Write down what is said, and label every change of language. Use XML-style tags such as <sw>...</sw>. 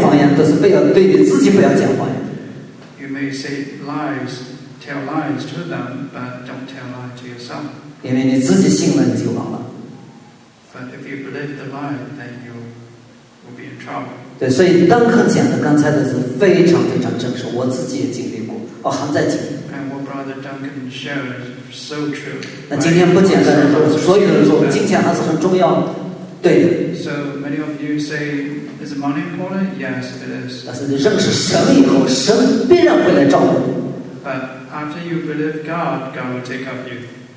<zh>你可以对别人讲谎言，但是不要对你自己不要讲谎言。</zh> <en>You may say lies. Tell lies to them, but don't tell lies to yourself.</en> <zh>因为你自己信了，你就忘了。</zh> <en>But if you believe the lie, then you will be in trouble.</en> <zh>对，所以邓克讲的刚才的是非常非常真实，我自己也经历过，我含在心里。</zh> <en>And what Brother Duncan shared is so true.</en> <zh>那今天不简单的说，所有人说金钱还是很重要的，对的。</zh> <en>So many of you say, is money important? Yes, it is.</en> <zh>但是你认识神以后，神必然会来照顾。</zh> <en>But after you believe God, God will take up you.</en>